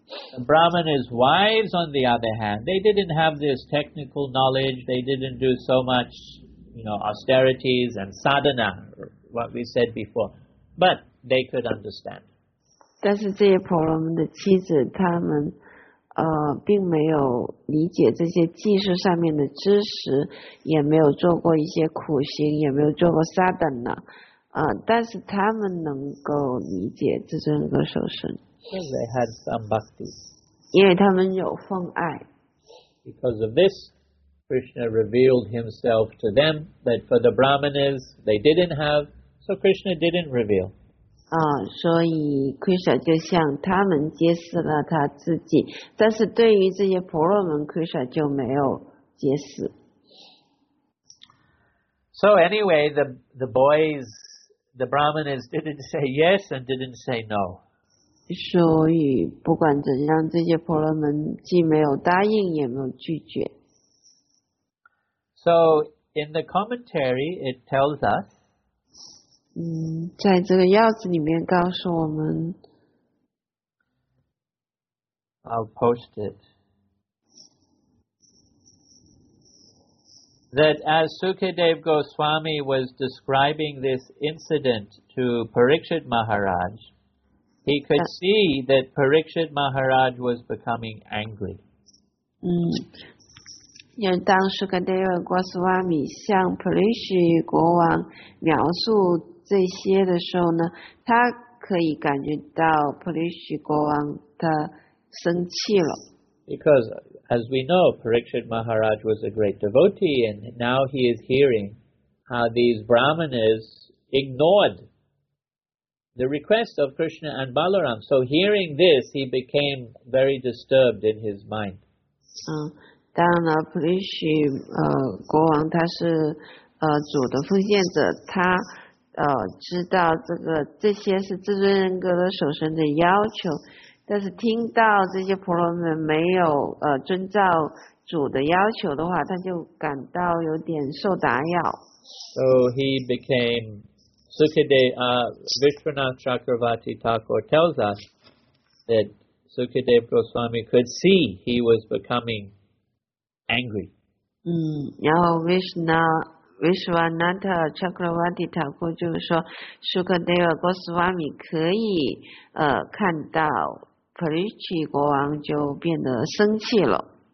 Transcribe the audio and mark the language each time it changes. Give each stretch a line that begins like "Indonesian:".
English: The Brahmanas' wives, on the other hand, they didn't have this technical knowledge, they didn't do so much, you know, austerities and sadhana, what we said before. But they could understand.
Chinese: 但是这些婆罗门的妻子，他们并没有理解这些技术上面的知识，也没有做过一些苦行，也没有做过沙等呢。但是他们能够理解至尊人格守神。
English: Because they had some bhakti.
Chinese: 因为他们有奉爱。
English: Because of this, Krishna revealed himself to them, but for the Brahmanas, they didn't have, so Krishna didn't reveal.
Chinese: 所以 Krishna 就向他们揭示了他自己，但是对于这些婆罗门 Krishna 就没有揭示。
English: So anyway, the boys, the Brahmanas didn't say yes and didn't say no.
Chinese: 所以不管怎样，这些婆罗门既没有答应也没有拒绝。
English: So in the commentary, it tells us,
Chinese: 在这个药子里面告诉我们
English: I'll post it, that as Sukadev Goswami was describing this incident to Parikshit Maharaj, he could see that Parikshit Maharaj was becoming angry.
Chinese: 因为当 Sukadev Goswami 向 Parikshit 国王描述这些的时候呢，他可以感觉到 Parikshit 国王他生气了。
English: Because, as we know, Parikshit Maharaj was a great devotee, and now he is hearing how these Brahmanas ignored the request of Krishna and Balaram. So hearing this, he became very disturbed in his mind.
Chinese: 当然了 ，Prish 国王他是主的奉献者，他知道这些是至尊人格的守神的要求，但是听到这些婆罗门没有遵照主的要求的话，他就感到有点受打扰。
English: So he became Sukadeva. Vishwanath Chakravarti Thakur tells us that Sukadeva Goswami could see he was becoming angry.
Chinese: 嗯，然后 Vishwanath Chakravarti Thakur 就是说 ，Sukadeva Goswami 可以看到 Parikshit 国王就变得生气了。